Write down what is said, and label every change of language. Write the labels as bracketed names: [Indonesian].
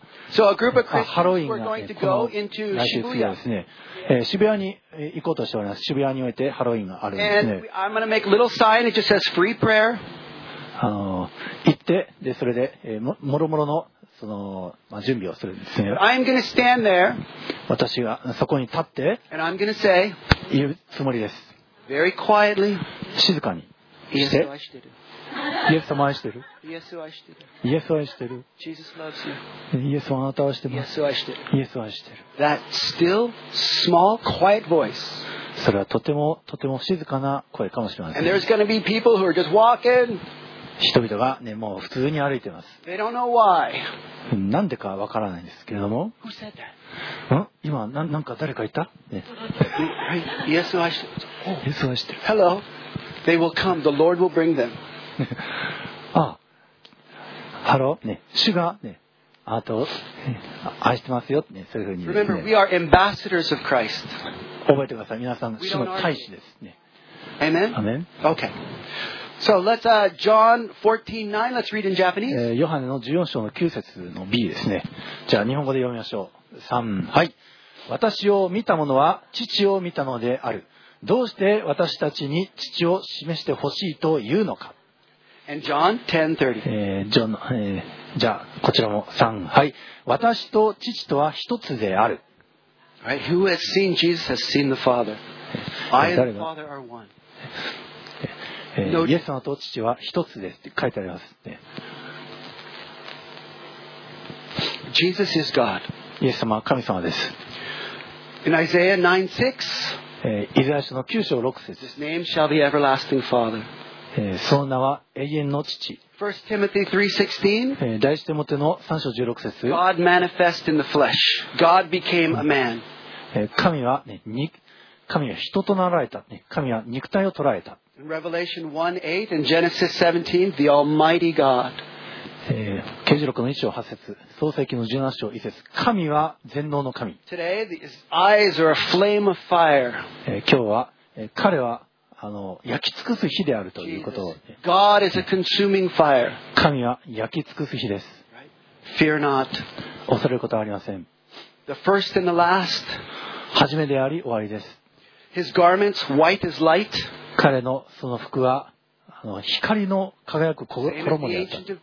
[English] So a group of Christians were going to go into Shibuya. [Japanese] Shibuya に行こうとしております。渋谷においてハロウィンがあるんですね。 [English] And I'm going to make a little sign. It just says free prayer. [Japanese] 行って、でそれで、もろもろの、その、まあ、準備をするんですね。 [English] I'm going to stand there. [Japanese] 私がそこに立って、 [English] And I'm going to say, [Japanese] 言うつもりです。 [English] Very quietly. [Japanese] 静かにして。イエス様愛してる。イエス愛してる。イエス愛してる。 [English] Jesus loves you. [Japanese] イエスはあなたを愛してます。イエス愛してる。イエス愛してる。 [English] That still small quiet voice. [Japanese] それはとてもとても静かな声かもしれません。 [English] And there's going to be people who are just walking. [Japanese] 人々がねもう普通に歩いてます。 [English] They don't know why. [Japanese] なんでかわからないんですけれども。 [English] Who said that? [Japanese] ん？今なんか誰かいた？ね。はい。イエス愛してる。イエス愛してる。 [English] Hello. They will come. The Lord will bring them. [Japanese] ああハロー、ね、主が、ね、あなたを愛してますよ、ね、そういうふうに、ね、 [English] Remember, we are ambassadors of Christ. [Japanese] 覚えてください、皆さん主の大使です、ね、 [English] Amen? Amen? Okay. So let's John 14:9, let's read in Japanese. [Japanese] ヨハネの14章の9節の B ですね。じゃあ日本語で読みましょう。 3、はい、私を見た者は父を見たのである。どうして私たちに父を示してほしいというのか。 [English] And John 10:30. [Japanese] じゃあこちらも3、はい、私と父とは一つである。 [English] Right, who has seen Jesus has seen the Father. I and the Father are one. [Japanese] イエス様と父は一つですって書いてありますって。 [English] Jesus is God. [Japanese] イエス様は神様です。 [English] In Isaiah 9:6, [Japanese] イザヤ書の9章6節。 [English] His name shall be everlasting Father. [Japanese] その名は永遠の父。 [English] 1 Timothy 3:16, [Japanese] 第一テモテの3章16節。 [English] God manifest in the flesh. God became a man. [Japanese] 神はね、神は人となられた。神は肉体を捉えた。 [English] In Revelation 1:8 and Genesis 17, the Almighty God. [Japanese] 啓示録の1章8節、創世記の17章1節、神は全能の神。 [English] Today, his eyes are a flame of fire. [Japanese] 今日は彼は焼き尽くす火であるということを、ね。 [English] God is a consuming fire. [Japanese] 神は焼き尽くす火です。 [English] Fear not. [Japanese] 恐れることはありません。 [English] The first and the last. [Japanese] 初めであり終わりです。 [English] His garments white as light. [Japanese] 彼のその服は光の輝く衣であった。